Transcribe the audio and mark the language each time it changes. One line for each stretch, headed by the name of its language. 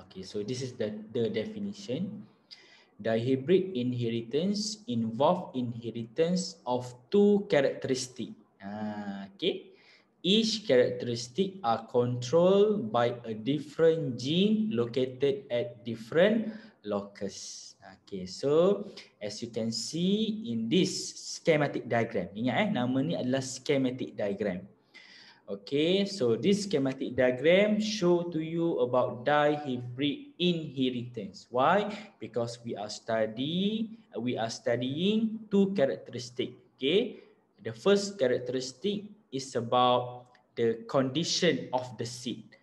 English: Okay, so this is the definition. Dihybrid inheritance involve inheritance of two characteristic. Okay, each characteristic are controlled by a different gene located at different locus. Okay, so as you can see in this schematic diagram.
Malay: Ingat eh, nama ni adalah schematic diagram.
English: Okay, so this schematic diagram show to you about dihybrid inheritance. Why? Because we are studying two characteristic. Okay, the first characteristic is about the condition of the seed.